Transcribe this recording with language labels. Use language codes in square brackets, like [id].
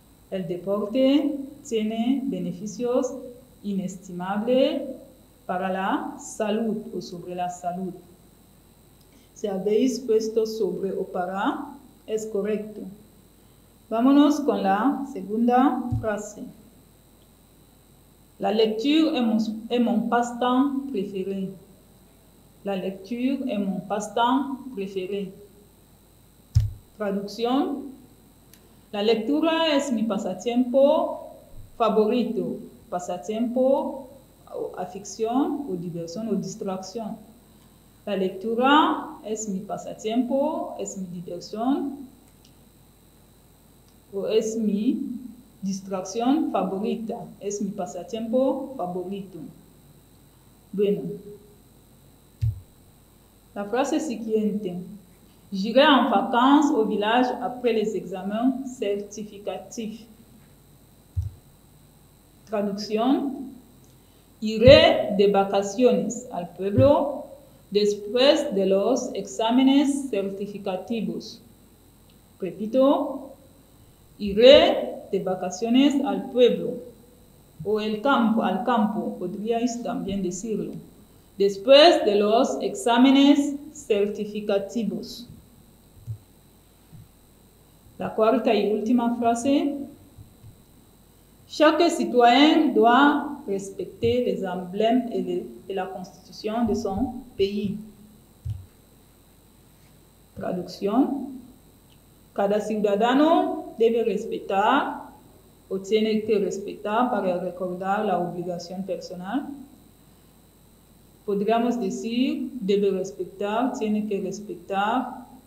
[es] El deporte tiene beneficios inestimables para la salud o sobre la salud. Si habéis puesto sobre o para, es correcto. Vámonos con la segunda frase. [fr] La lecture est mon passe-temps préféré. La lecture est mon passe-temps préféré. [es] Traducción. La lectura es mi pasatiempo favorito. Pasatiempo, afición, o diversión, o distracción. La lectura es mi pasatiempo, es mi diversión, o es mi distracción favorita, es mi pasatiempo favorito. Bueno, la frase siguiente. [fr] J'irai en vacances au village après les examens certificatifs. [es] Traducción. Iré de vacaciones al pueblo después de los exámenes certificativos. Repito. Iré de vacaciones al pueblo o al campo, podríais también decirlo, después de los exámenes certificativos. La cuarta y última frase. [fr] Chaque citoyen doit respecter les emblèmes et la constitution de son pays. [es] Traducción. Cada ciudadano debe respetar o tiene que respetar para recordar la obligación personal. Podríamos decir, debe respetar, tiene que respetar.